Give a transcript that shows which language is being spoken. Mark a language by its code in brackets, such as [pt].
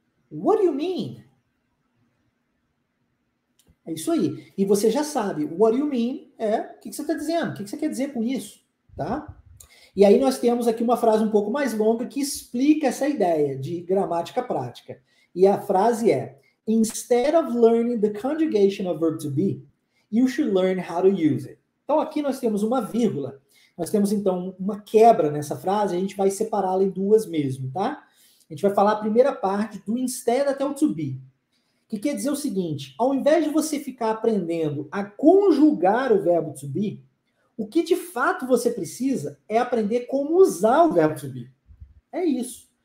[en] What do you mean? [pt] É isso aí. E você já sabe, [en] what do you mean [pt] é o que você está dizendo, o que você quer dizer com isso, tá? E aí nós temos aqui uma frase um pouco mais longa que explica essa ideia de gramática prática. E a frase é: [en] Instead of learning the conjugation of verb to be, you should learn how to use it. [pt] Então aqui nós temos uma vírgula. Nós temos então uma quebra nessa frase, a gente vai separá-la em duas mesmo, tá? A gente vai falar a primeira parte do instead até o to be. Que quer dizer o seguinte: ao invés de você ficar aprendendo a conjugar o verbo to be, o que de fato você precisa é aprender como usar o verbo to be. É isso.